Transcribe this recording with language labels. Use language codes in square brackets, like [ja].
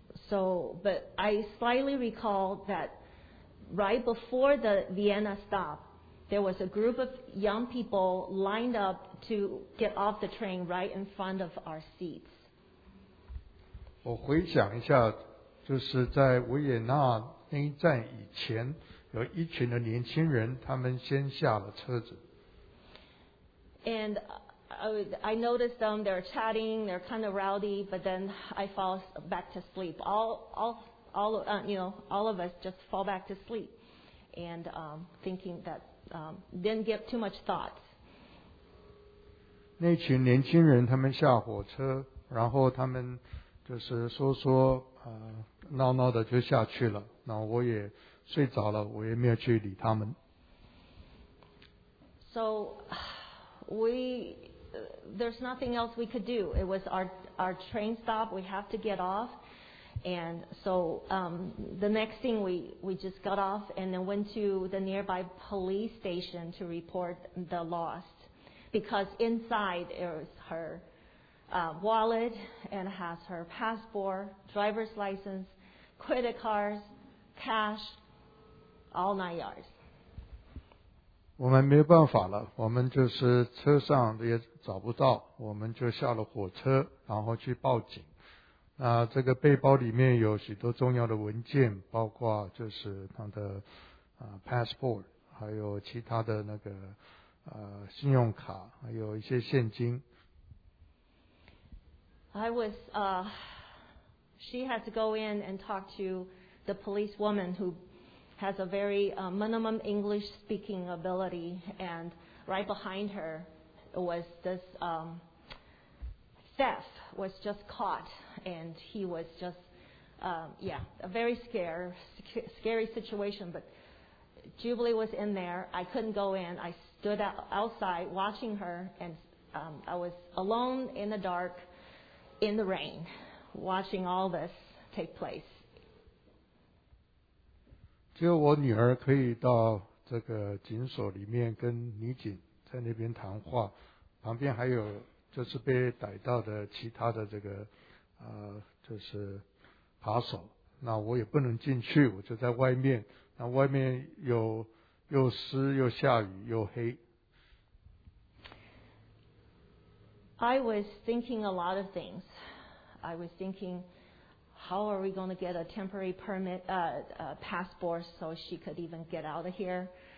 [en] But I slightly recall that right before the Vienna stop, there was a group of young people lined up to get off the train right in front of our seats. [zh] 我回想一下，就是在维也纳那一站以前，有一群的年轻人，他们先下了车子。 [en] And I noticed them. They're chatting. They're kind of rowdy. But then I fall back to sleep. All of us just fall back to sleep, and thinking that didn't give too much thought. [zh] 那群年轻人他们下火车，然后他们就是说说闹闹的就下去了。然后我也睡着了，我也没有去理他们。 [en] So we there's nothing else we could do. It was our train stop. We have to get off. And so the next thing we just got off and then went to the nearby police station to report the lost, because inside there was her wallet and has her passport, driver's license, credit cards, cash, all 9 yards. [zh] 我们没办法了，我们就是车上也找不到，我们就下了火车，然后去报警。那这个背包里面有许多重要的文件，包括就是他的passport， 还有其他的那个信用卡，还有一些现金。 [en] I was, she had to go in and talk to the police woman who has a very minimum English speaking ability, and right behind her was this theft was just caught, and he was just a very scary situation. But Jubilee was in there. I couldn't go in. I stood outside watching her, and I was alone in the dark in the rain watching all this take place. [zh] 只有我女儿可以到这个警所里面跟女警在那边谈话，旁边还有就是被逮到的其他的这个就是扒手，那我也不能进去，我就在外面。那外面又湿又下雨又黑。 [en] I was thinking a lot of things. I was thinking, how are we going to get a temporary permit, passport, so she could even get out of here?